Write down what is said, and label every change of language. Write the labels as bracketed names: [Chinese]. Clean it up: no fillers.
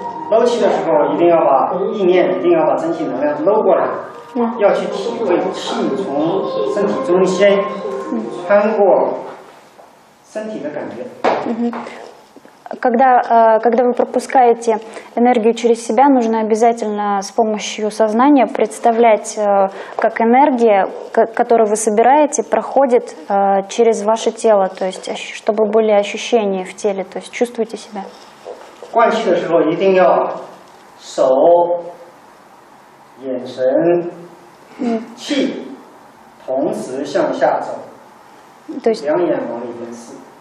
[Chinese] Лоу气的时候，一定要把意念，一定要把真气能量搂过来，要去体会气从身体中心穿过身体的感觉。 [Russian] Когда вы пропускаете энергию через себя, нужно обязательно с помощью сознания представлять, как энергия, которую вы собираете, проходит через ваше тело, то есть чтобы были ощущения в теле, то есть чувствуйте себя. [Chinese] 灌气的时候一定要手、眼神、气同时向下走，两眼往里边刺。